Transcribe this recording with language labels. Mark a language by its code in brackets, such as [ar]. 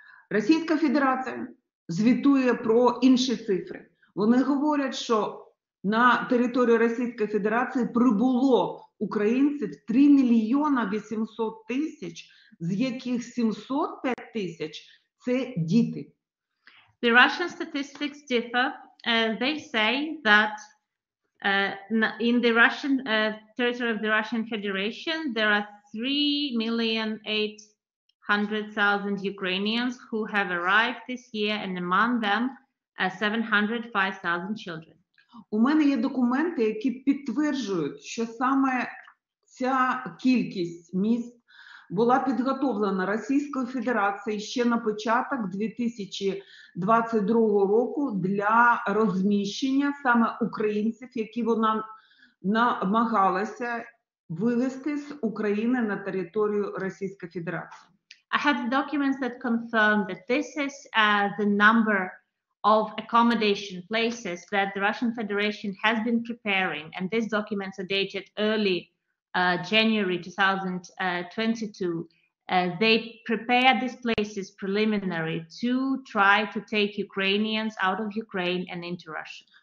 [uk] Російська Федерація звітує про інші цифри. Вони говорять, що на територію Російської Федерації прибуло українців 3,800,000, з яких 705,000 – це діти. [en] The Russian statistics differ. They say that in the Russian territory of the Russian Federation, there are 3,800,000 Ukrainians who have arrived this year, and among them, 705,000 children. [uk] У мене є документи, які підтверджують, що саме ця кількість міст була підготовлена Російською Федерацією ще на початок 2022 року для розміщення саме українців, які вона намагалася вивести з України на територію Російської Федерації. [en] I have the documents that confirm that this is the number of accommodation places that the Russian Federation has been preparing, and these documents are dated early January 2022. They prepare these places preliminary to try to take Ukrainians out of Ukraine and into Russia.